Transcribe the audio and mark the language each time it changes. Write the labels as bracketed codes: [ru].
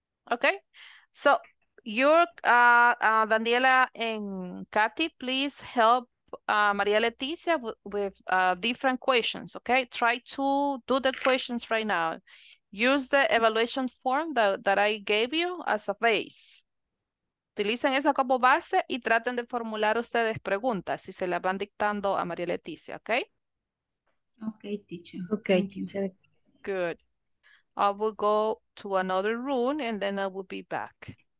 [en] Okay, so you're Daniela and Katy, please help Maria Leticia with different questions, okay? Try to do the questions right now. Use the evaluation form that I gave you as a base. [es] Utilicen esa como base y traten de formular ustedes preguntas si se las van dictando a María Leticia, ¿ok? [en] Ok, teacher. Ok, teacher. Good. I will go to another room and then I will be back.